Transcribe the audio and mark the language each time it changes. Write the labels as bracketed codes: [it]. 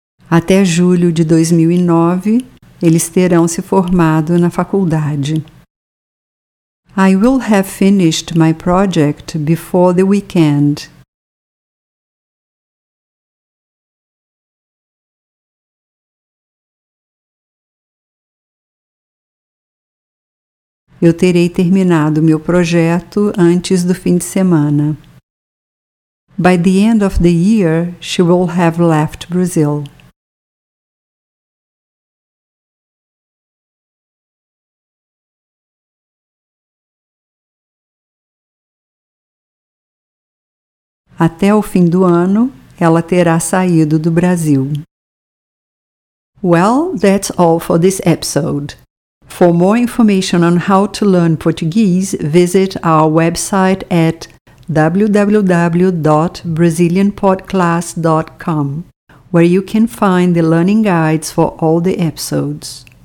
[pt] Até julho de 2009, eles terão se formado na faculdade. [en] I will have finished my project before the weekend. [pt] Eu terei terminado meu projeto antes do fim de semana. [en] By the end of the year, she will have left Brazil. [pt] Até o fim do ano, ela terá saído do Brasil. [en] Well, that's all for this episode. For more information on how to learn Portuguese, visit our website at www.brazilianpodclass.com, where you can find the learning guides for all the episodes.